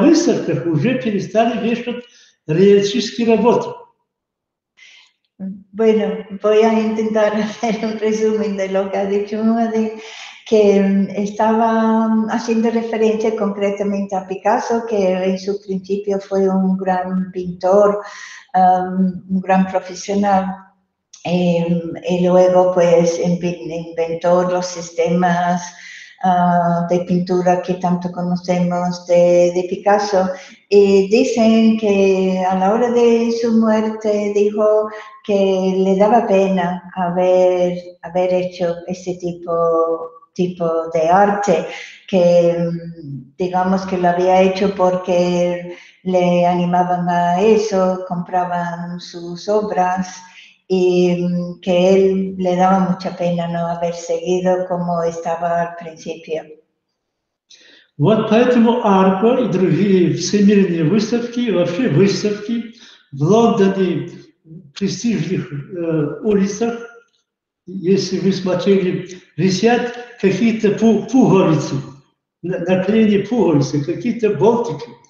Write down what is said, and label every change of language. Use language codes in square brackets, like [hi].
[ru] выставках уже перестали вешать реалистические работы. [es] Bueno, voy a intentar hacer un resumen de lo que ha dicho Mujadín, que estaba haciendo referencia concretamente a Picasso, que en su principio fue un gran pintor, un gran profesional. Y luego, pues, inventó los sistemas de pintura que tanto conocemos de Picasso. Y dicen que a la hora de su muerte dijo que le daba pena haber hecho ese tipo de arte, que digamos que lo había hecho porque le animaban a eso, compraban sus obras, y que él le daba mucha pena no haber seguido como estaba al principio. [ru] Вот поэтому Арпа и другие всемирные выставки, вообще выставки в Лондоне, престижных улицах, если вы смотрели, висят какие-то пуговицы, наклеенные пуговицы, какие-то болтики.